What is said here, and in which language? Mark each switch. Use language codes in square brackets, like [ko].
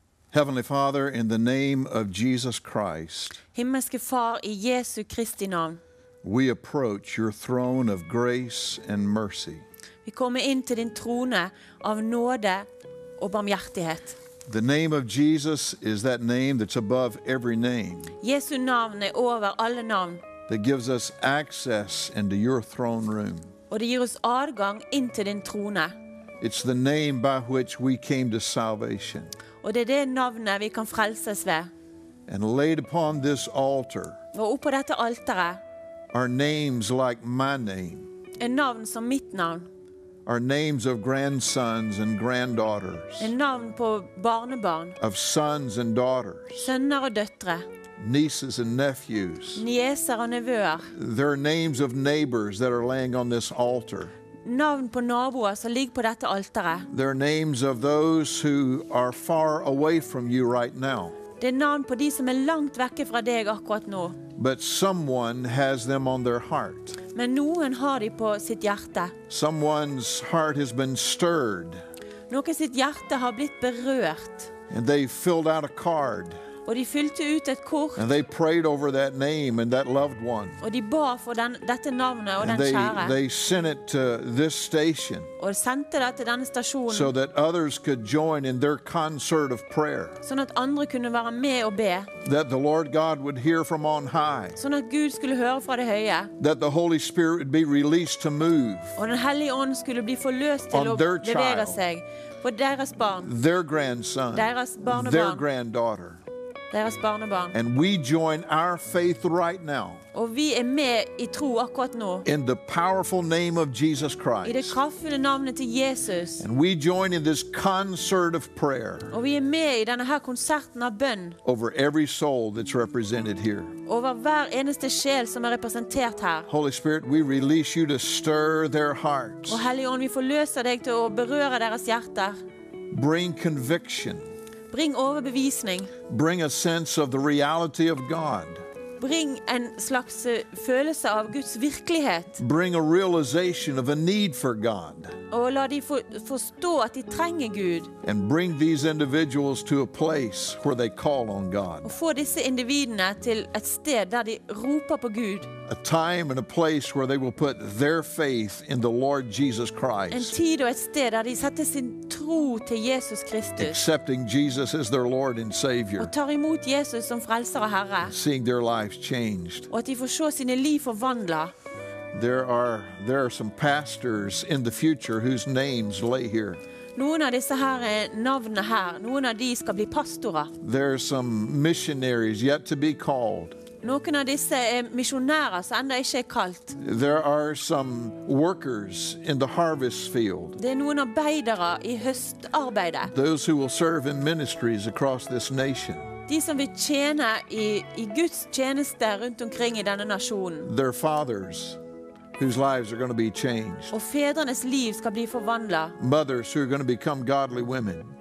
[en] Heavenly Father, in the name of Jesus Christ, [no] Himmelske Far, I Jesu Kristi navn, [en] we approach your throne of grace and mercy. [no] Vi kommer inn til din trone av nåde og barmhjertighet. [en] The name of Jesus is that name that's above every name. [no] Jesu navn er over alle navn. [en] That gives us access into your throne room. [no] Og det gir oss adgang inn til din trone. [en] It's the name by which we came to salvation. [no] Og det det navnet vi kan frelses ved. [en] And laid upon this altar. [no] Og oppå dette alteret. [en] Are names like my name. [no] En navn som mitt navn. [en] Are names of grandsons and granddaughters. [no] En navn på barnebarn. [en] Of sons and daughters. [no] Sønner og døtre. [en] Nieces and nephews. [no] Nieser og nevøer. [en] There are names of neighbors that are laying on this altar. [no] Navn på naboer som ligger på dette alteret. [en] There are names of those who are far away from you right now. [no] Det navn på de som langt vekke fra deg akkurat nå. [en] But someone has them on their heart. [no] Men noen har de på sitt hjerte. [en] Someone's heart has been stirred. [no] Noen sitt hjerte har blitt berørt. [en] And they filled out a card. [no] Og de fylte ut et kort. [en] And they prayed over that name and that loved one. [no] Og de ba for dette navnet og den kjære. [en] They sent it to this station. [no] Og sendte det til denne stasjonen. [en] So that others could join in their concert of prayer. [no] Sånn at andre kunne være med og be. [en] That the Lord God would hear from on high. [no] Sånn at Gud skulle høre fra det høye. [en] That the Holy Spirit would be released to move. [no] Og den hellige ånd skulle bli forløst til å bevege seg. På deres barn. [en] Their grandson. [no] Deres barnebarn. [en] Their granddaughter. [no] Deres barnebarn. [en] And we join our faith right now. [no] Og vi med I tro akkurat nå. [en] In the powerful name of Jesus Christ. [no] I det kraftfulle navnet til Jesus. [en] And we join in this concert of prayer. [no] Og vi med I denne her konserten av bønn. [en] Over every soul that's represented here. [no] Over hver eneste sjel som representert her. [en] Holy Spirit, we release you to stir their hearts. [no] Og Hellige Ånd, vi forløser deg til å berøre deres hjerter. [en] Bring conviction. [no] Bring overbevisning. [en] Bring a sense of the reality of God. [no] Bring en slags følelse av Guds virkelighet. [en] Bring a realization of a need for God. [no] Og la de forstå at de trenger Gud. [en] And bring these individuals to a place where they call on God. [no] Og få disse individene til et sted der de roper på Gud. [en] A time and a place where they will put their faith in the Lord Jesus Christ. [no] En tid og et sted der de setter sin tro til Jesus Kristus. [en] Accepting Jesus as their Lord and Savior. [no] Og tar imot Jesus som frelser og Herre. [en] Seeing their lives changed. [no] Og at de får se sine liv forvandlet. [en] There are some pastors in the future whose names lay here. [no] Noen av disse her navnene her, noen av de skal bli pastorer. [en] There are some missionaries yet to be called. [no] Noen av disse misjonærer som enda ikke kalt. [en] There are some workers in the harvest field. [no] Det noen arbeidere i høstarbeidet. [en] Those who will serve in ministries across this nation. [no] De som vil tjene i Guds tjeneste rundt omkring i denne nasjonen. [en] Their fathers. Whose lives are going to be changed. [no] Og fedrenes liv skal bli forvandlet. [en] Mothers who are going to become godly women.